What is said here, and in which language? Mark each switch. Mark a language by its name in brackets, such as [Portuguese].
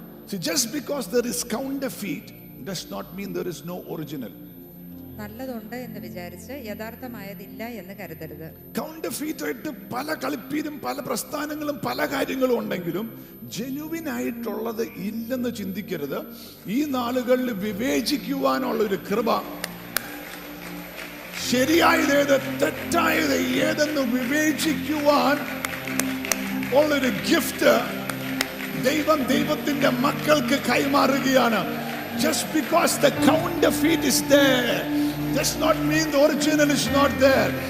[English] See, just because there is counterfeit does not mean there is no original. [Malayalam] നല്ലതുണ്ട് എന്ന് വിചാരിച്ച് യഥാർത്ഥമായതില്ല എന്ന് കരുതരുത്. Counterfeit ആയിട്ട് പല കളിപ്പീരും പല പ്രസ്ഥാനങ്ങളും പല കാര്യങ്ങളും ഉണ്ടെങ്കിലും ജെനുവിൻ ആയിട്ടുള്ളത് ഇല്ലെന്ന് ചിന്തിക്കരുത്. ഈ നാളുകളിൽ വിവേചിക്കുവാനുള്ള ഒരു കൃപ, ശരിയായത് ഏത് തെറ്റായത് ഏതെന്ന് വിവേചിക്കുവാൻ ഉള്ളൊരു ഗിഫ്റ്റ് ദൈവം ദൈവത്തിന്റെ മക്കൾക്ക് കൈമാറുകയാണ്. [English] Just because the counterfeit is there does not mean the original is not there.